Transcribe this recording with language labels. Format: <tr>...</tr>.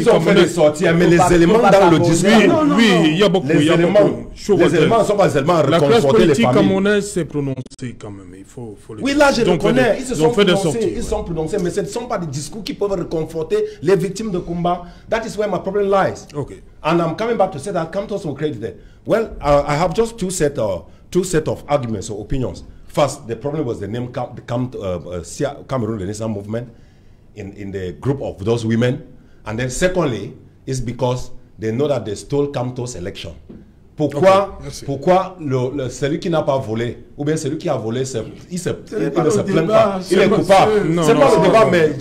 <fr>Ils ont fait une sortie, mais les éléments dans le discours. Oui, il y a beaucoup. Les éléments ne sont pas seulement réconforter les familles. La classe politique camerounaise s'est prononcée quand même. Oui, là je reconnais. Ils se sont prononcés. Ils sont prononcés, mais ce ne sont pas des discours qui peuvent réconforter les victimes de Kumba.</fr> <en>That is where my problem lies. Okay. And I'm coming back to say that Kamto is credited. Well, I have just two set of arguments or opinions. First, the problem was the name Cameroon Renaissance Movement in the group of those women. And then secondly, it's because they know that they stole Kamto's election.</en> <fr>Pourquoi le celui qui n'a pas volé, ou bien celui qui a volé, il est coupable.</fr>